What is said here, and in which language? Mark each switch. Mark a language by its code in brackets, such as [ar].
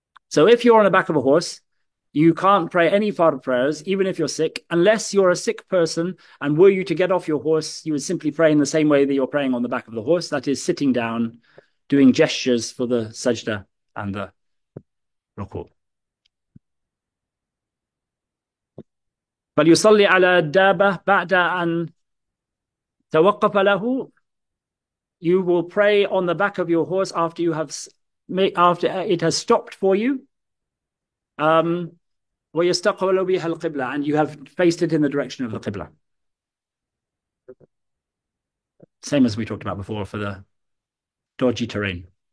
[en] So if you're on the back of a horse, you can't pray any fard prayers, even if you're sick, unless you're a sick person. And were you to get off your horse, you would simply pray in the same way that you're praying on the back of the horse, that is, sitting down, doing gestures for the sajda and the ruku'. [ar] فليصلي على الدابة بعد أن توقف له. [en] You will pray on the back of your horse after you have made, after it has stopped for you. [ar] ويستقبل بها القبلة, [en] and you have faced it in the direction of the Qibla. Same as we talked about before for the dodgy terrain.